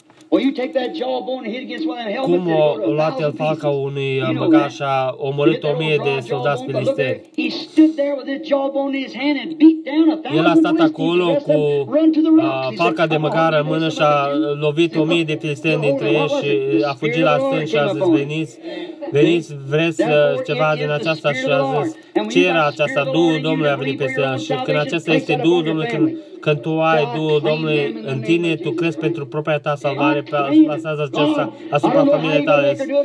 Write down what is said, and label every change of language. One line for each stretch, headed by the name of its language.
English: Well, you take that jawbone and hit against one of them helmets.
Romanian: Cum o luat el falca unui băgaș a omorât 1000 de soldați filisteni.
English: He stood there with his jawbone in his hand and beat down a thousand.
Romanian: El a stat acolo cu falca de măgară în mână și a lovit 1000 de filisteni dintre ei și a fugit la stâng și a zis, veniți, vreți ceva din aceasta? Și a zis, ce era aceasta? Duhul Domnului a venit peste el. Și când acesta este Duhul Domnului, când tu ai Duhul Domnului în tine, tu crezi pentru propria ta salvare, plasează aceasta asupra familiei tale.